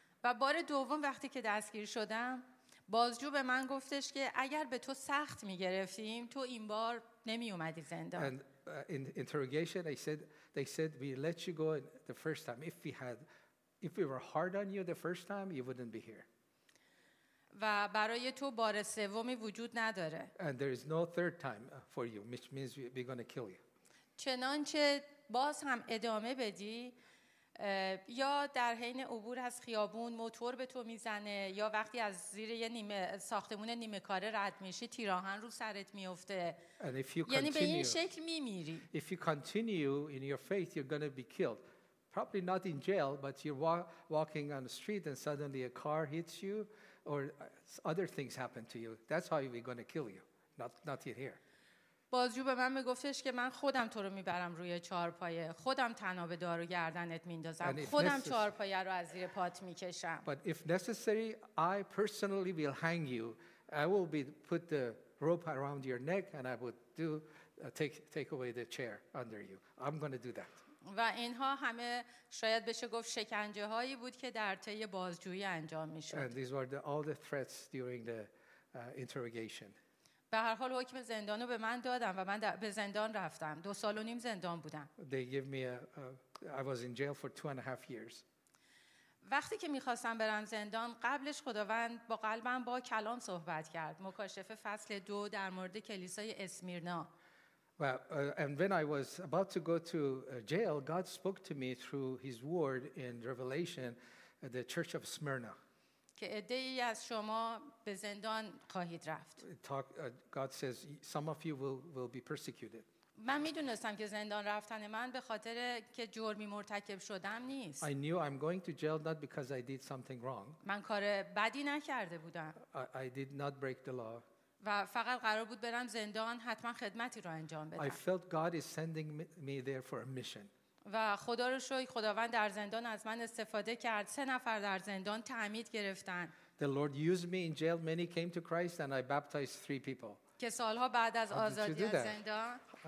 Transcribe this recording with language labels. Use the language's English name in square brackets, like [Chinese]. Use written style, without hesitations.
[Persian] و بار دوم وقتی که دستگیر شدم، بازجو به من گفتش که اگر به تو سخت میگرفتیم، تو این بار نمی اومدی زندان. [English] And in interrogation they said we let you go the first time. If we were hard on you the first time you wouldn't be here. [Persian] و برای تو بار سومی وجود نداره. [English] And there is no third time for you, which means we're going to kill you. [Persian] چنانچه باز هم ادامه بدی یا در حین عبور از خیابون موتور به تو میزنه یا وقتی از زیر یه نیمه ساختمون نیمه کاره رد میشی تیراهن رو سرت میفته، یعنی به این شکل میمیری. [English] If you continue in your faith you're going to be killed, probably not in jail but you're walking on the street and suddenly a car hits you or other things happen to you, that's how we're going to kill you, not yet here. [Persian] بازجو به من میگفتش که من خودم تو رو میبرم روی چهارپایه، خودم تناب دارو گردنت میندازم، خودم چهارپایه رو از زیر پات میکشم. [English] But if necessary I personally will hang you. I will be put the rope around your neck and I would do take away the chair under you. I'm going to do that. [Persian] و اینها همه شاید بشه گفت شکنجه هایی بود که در طی بازجویی انجام میشد. [English] And these were all the threats during the interrogation. [Persian] به هر حال حکم زندان رو به من دادم و من به زندان رفتم. دو سال و نیم زندان بودم. [English] I was in jail for 2.5 years. [Persian] وقتی که میخواستم برم زندان قبلش خداوند با قلبم با کلام صحبت کرد. مکاشفه فصل 2 در مورد کلیسای اسمیرنا. [English] And when I was about to go to jail, God spoke to me through his word in Revelation, the church of Smyrna. [Persian] که عده‌ای از شما به زندان خواهید رفت. [English] God says some of you will be persecuted. [Persian] من می‌دونستم که زندان رفتن من به خاطر که جرمی مرتکب شدم نیست. [English] I knew I'm going to jail not because I did something wrong. [Persian] من کار بدی نکرده بودم. [English] I did not break the law. [Persian] و فقط قرار بود برم زندان حتما خدمتی رو انجام بدم. [English] I felt God is sending me there for a mission. [Persian] و خدا رو شکر خداوند در زندان از من استفاده کرد. 3 نفر در زندان تعمید گرفتن. [English] The Lord used me in jail. Many came to Christ and I baptized 3 people. [Persian] که سالها بعد از آزادی از زندان.